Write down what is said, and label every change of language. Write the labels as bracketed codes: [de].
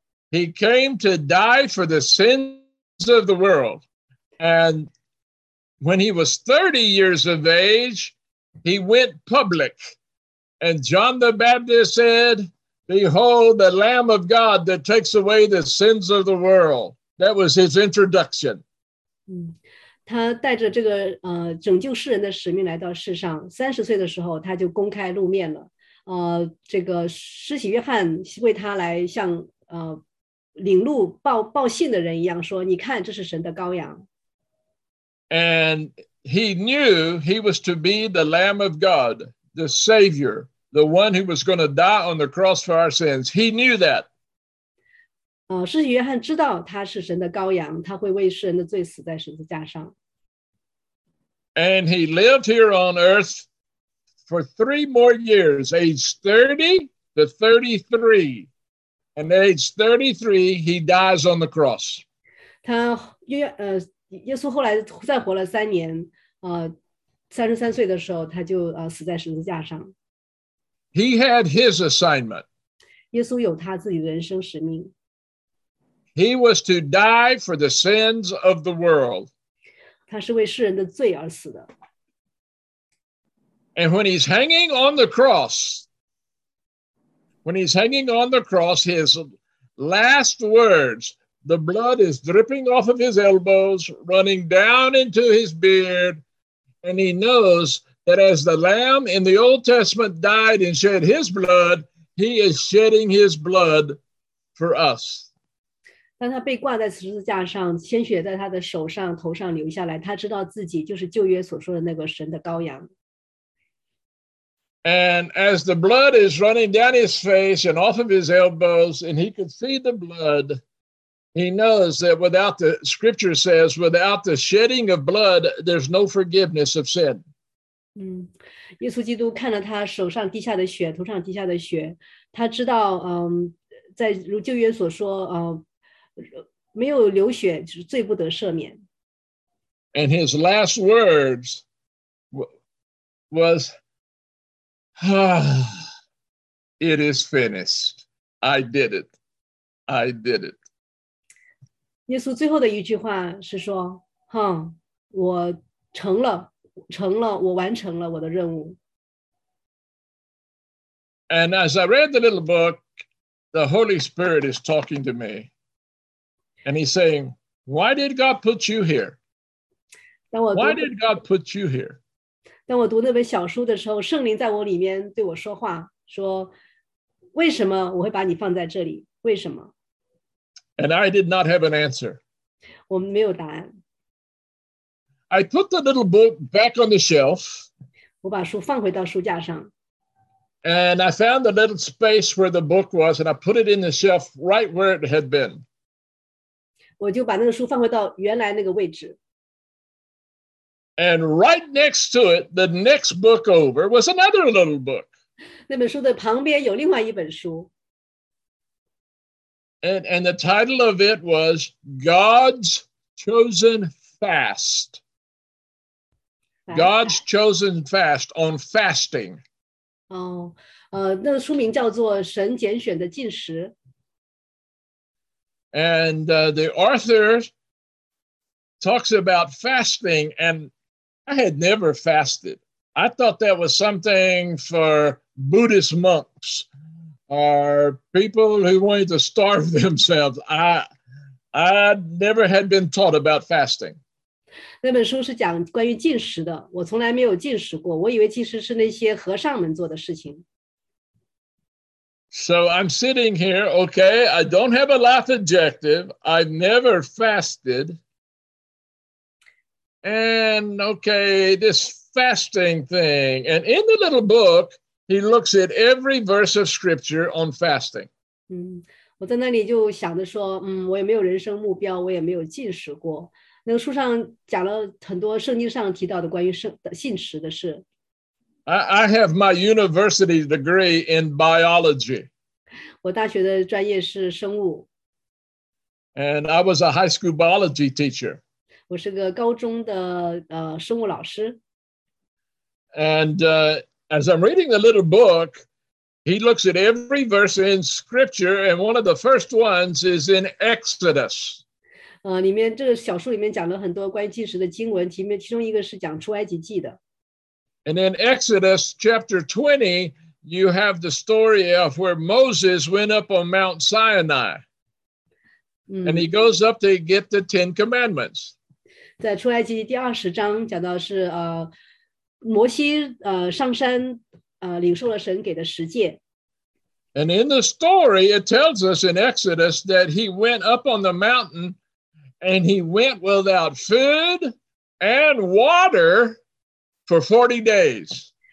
[en] He came to die for the sins of the world. And when he was 30 years of age, he went public. And John the Baptist said, Behold, the Lamb of God that takes away the sins of the world. That was his introduction. [zh] 他带着这个拯救世人的使命来到世上。三十岁的时候，他就公开露面了。这个施洗约翰为他来向领路报信的人一样说：“你看，这是神的羔羊。” [en] And he knew he was to be the Lamb of God, the Savior, the one who was going to die on the cross for our sins. He knew that. [zh] 施洗约翰知道他是神的羔羊，他会为世人的罪死在十字架上。 [en] And he lived here on earth for three more years, age 30 to 33. And age 33, he dies on the cross. [zh] 耶稣后来再活了三年，33岁的时候他就死在十字架上。 [en] He had his assignment. [zh] 耶稣有他自己的人生使命。 [en] He was to die for the sins of the world. [zh] 他是为世人的罪而死的。 [en] And when he's hanging on the cross, his last words, the blood is dripping off of his elbows, running down into his beard, and he knows that as the Lamb in the Old Testament died and shed his blood, he is shedding his blood for us. [zh] 当他被挂在十字架上，鲜血在他的手上、头上流下来，他知道自己就是旧约所说的那个神的羔羊。 [en] And as the blood is running down his face and off of his elbows, and he could see the blood, he knows that without the scripture says, without the shedding of blood, there's no forgiveness of sin. [zh] 耶稣基督看了他手上滴下的血、头上滴下的血，他知道，在如旧约所说，没有流血就是罪不得赦免。 [en] And his last words was, "It is finished. I did it. I did it." [zh] 耶稣最后的一句话是说：“我成了，我完成了我的任务。” [en] And as I read the little book, the Holy Spirit is talking to me. And he's saying, why did God put you here? Why did God put you here? [zh] 当我读那本小书的时候，圣灵在我里面对我说话，说，为什么我会把你放在这里？为什么？ [en] And I did not have an answer. [zh] 我没有答案。 [en] I put the little book back on the shelf. [zh] 我把书放回到书架上。 [en] And I found the little space where the book was, and I put it in the shelf right where it had been. [zh] 我就把那个书放回到原来那个位置。 [en] And right next to it, the next book over was another little book. [zh] 那本书的旁边有另外一本书。 [en] And the title of it was God's Chosen Fast. God's Chosen Fast on Fasting. [zh] 那书名叫做《神拣选的禁食》。 [en] And the author talks about fasting, and I had never fasted. I thought that was something for Buddhist monks or people who wanted to starve themselves. I never had been taught about fasting. [zh] 那本书是讲关于禁食的，我从来没有禁食过，我以为其实是那些和尚们做的事情。 [en] So I'm sitting here, okay, I don't have a life objective, I've never fasted. And okay, this fasting thing, and in the little book, he looks at every verse of scripture on fasting. [zh] 我在那里就想着说，我也没有人生目标，我也没有禁食过。那个书上讲了很多圣经上提到的关于禁食的事。 [en] I have my university degree in biology. [zh] 我大学的专业是生物。 [en] And I was a high school biology teacher. [zh] 我是个高中的生物老师。 [en] And as I'm reading the little book, he looks at every verse in scripture, and one of the first ones is in Exodus. [zh] 里面这个小书里面讲了很多关于禁食的经文，其中一个是讲出埃及记的。 [en] And in Exodus chapter 20, you have the story of where Moses went up on Mount Sinai. And he goes up to get the Ten Commandments. [zh] 在出埃及第二十章讲到是摩西上山领受了神给的十诫。 [en] And in the story, it tells us in Exodus that he went up on the mountain and he went without food and water for 40 days.